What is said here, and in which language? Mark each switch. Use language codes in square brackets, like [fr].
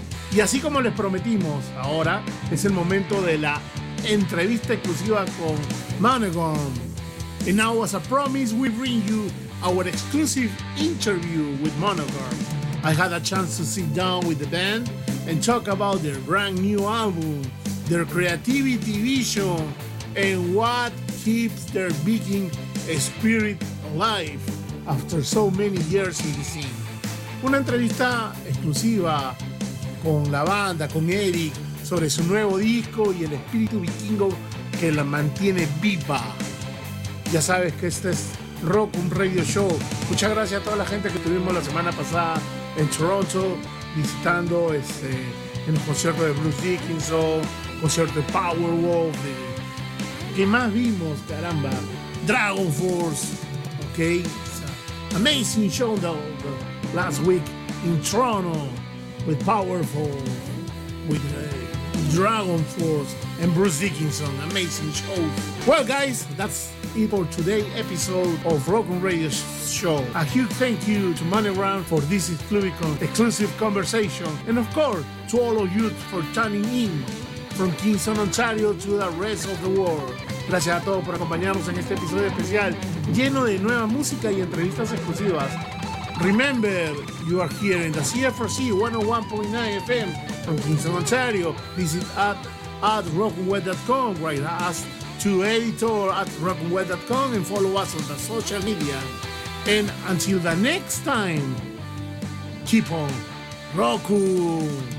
[es] Y así como les prometimos, ahora es el momento de la entrevista exclusiva con Monogon. [en] And now, as a promise, we bring you our exclusive interview with Monogon. I had a chance to sit down with the band and talk about their brand new album, their creativity vision, and what keeps their Viking spirit alive after so many years in the scene. [es] Una entrevista exclusiva con la banda, con Eric, sobre su nuevo disco y el espíritu vikingo que la mantiene viva. Ya sabes que este es Rock'em Radio Show. Muchas gracias a toda la gente que tuvimos la semana pasada en Toronto, visitando en los conciertos de Bruce Dickinson, concierto de Powerwolf. ¿Qué más vimos? Caramba. Dragon Force, ¿ok? [en] Amazing show though, last week in Toronto with Powerful, with Dragon Force and Bruce Dickinson. Amazing show. Well, guys, that's it for today's episode of Rock'em Radio Show. A huge thank you to Monogon for this exclusive conversation. And of course, to all of you for tuning in from Kingston, Ontario to the rest of the world. [es] Gracias a todos por acompañarnos en este episodio especial lleno de nueva música y entrevistas exclusivas. [en] Remember, you are here in the CFRC 101.9 FM from Kingston, Ontario. Visit at rockandweb.com, write us to editor at rockandweb.com and follow us on the social media. And until the next time, keep on rocking.